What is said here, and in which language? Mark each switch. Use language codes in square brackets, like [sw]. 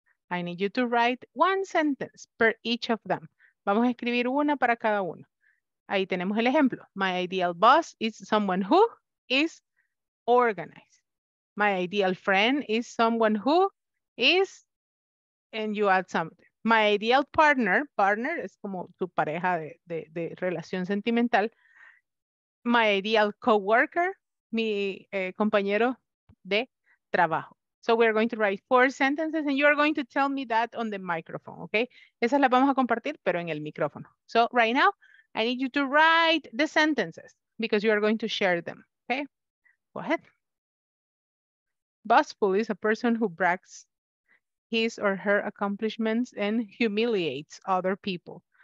[en] I need you to write one sentence per each of them. [es] Vamos a escribir una para cada uno. Ahí tenemos el ejemplo. [en] My ideal boss is someone who is organized. My ideal friend is someone who is, and you add something. My ideal partner [es] es como tu pareja de relación sentimental. [en] My ideal coworker, [es] mi compañero de trabajo. [en] So we're going to write four sentences and you're going to tell me that on the microphone, okay? [es] Esas las vamos a compartir, pero en el micrófono. [en] So right now, I need you to write the sentences because you are going to share them, okay? Go ahead. Bossful is a person who brags his or her accomplishments and humiliates other people.